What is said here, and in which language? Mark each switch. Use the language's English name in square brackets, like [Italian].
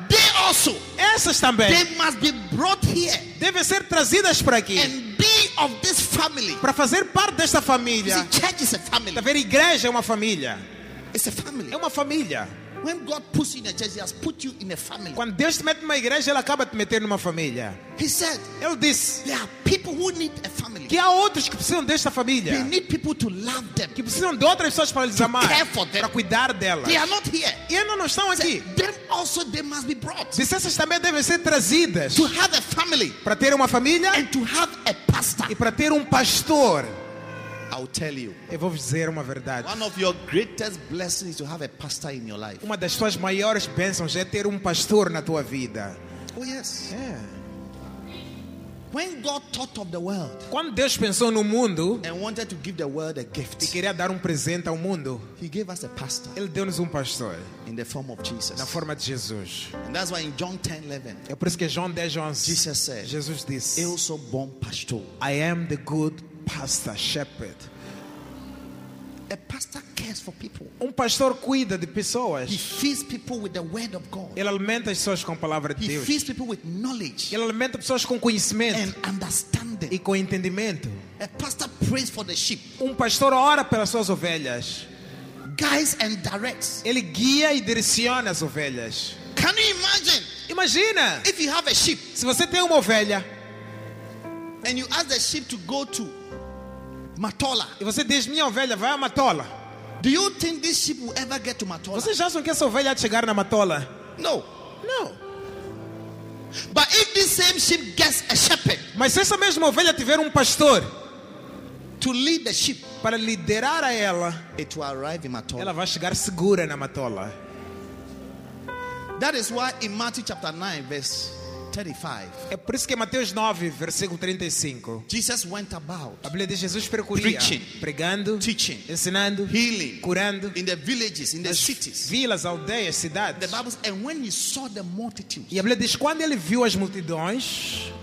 [English] They also. [Portuguese] Essas também. [English] They must be brought here. [Portuguese] Devem ser trazidas para aqui. [English] And be of this family. [Portuguese] Para fazer parte desta família. [English] See, church is a family. [Portuguese] Tá vendo? Igreja é uma família. [English] It's a family. [Portuguese] É uma família. [English] When God puts you in a church, He has put you in a family. [Portuguese] Quando Deus te mete numa igreja, Ele acaba de te meter numa família. [English] He said, [Portuguese] Ele disse, [English] there are people who need a family. [Portuguese] Que há outros que precisam desta família. [English] They need people to love them. [Portuguese] Que precisam de outras pessoas para lhes amar. [English] Care for them. [Portuguese] Para cuidar delas. [English] They are not here. [Portuguese] E ainda não estão aqui. [English] So, them also they must be brought. [Portuguese] Diz, essas também devem ser trazidas. [English] To have a family. [Portuguese] Para ter uma família. [English] And to have a pastor. [Portuguese] E para ter um pastor. [English] I'll tell you. [Portuguese] Eu vou dizer uma verdade. [English] One of your greatest blessings is to have a pastor in your life. [Portuguese] Uma das suas maiores bênçãos é ter um pastor na tua vida. [English] Oh yes. Yeah. When God thought of the world, [Portuguese] quando Deus pensou no mundo, [English] and wanted to give the world a gift, [Portuguese] e queria dar um presente ao mundo, [English] He gave us a pastor. [Portuguese] Ele deu-nos um pastor. [English] In the form of Jesus. [Portuguese] Na forma de Jesus. [English] And that's why in John 10:11. [Portuguese] É por isso que João 10:11. [English] Jesus said. [Portuguese] Jesus disse. Eu sou bom pastor. [English] I am the good pastor, shepherd. A pastor cares for people. [Portuguese] Um pastor cuida de pessoas. [English] He feeds people with the word of God. [Portuguese] Ele alimenta pessoas com a palavra de [English] He [Portuguese] Deus. [English] He feeds people with knowledge. [Portuguese] Ele alimenta pessoas com conhecimento. [English] And understanding. [Portuguese] E com entendimento. [English] A pastor prays for the sheep. [Portuguese] Um pastor ora pelas suas ovelhas. [English] Guides and directs. [Portuguese] Ele guia e direciona as ovelhas. [English] Can you imagine? [Portuguese] Imagina. [English] If you have a sheep. [Portuguese] Se você tem uma ovelha. [English] And you ask the sheep to go to Matola. [Portuguese] E você diz, minha ovelha, vai a Matola. [English] Do you think this sheep will ever get to Matola? [Portuguese] Vocês acham que essa ovelha vai chegar na Matola? [English] No. [Portuguese] No. [English] But if this same sheep gets a shepherd, [Portuguese] mas se essa mesma ovelha tiver um pastor [English] to lead the sheep, [Portuguese] para liderar a ela, [English] it will arrive in Matola. [Portuguese] Ela vai chegar segura na Matola. [English] That is why in Matthew chapter 9 verse 35. [Portuguese] É por isso que em Mateus 9, versículo 35. [English] Jesus went about. [Portuguese] A Bíblia diz Jesus percorria, [English] preaching, [Portuguese] pregando, [English] teaching, [Portuguese] ensinando, [English] healing, [Portuguese] curando, [English] in the villages, in the cities. [Portuguese] Vilas, aldeias, cidades. [English] The Bible says, and when he saw the multitudes. [Portuguese] E a Bíblia diz quando ele viu as multidões,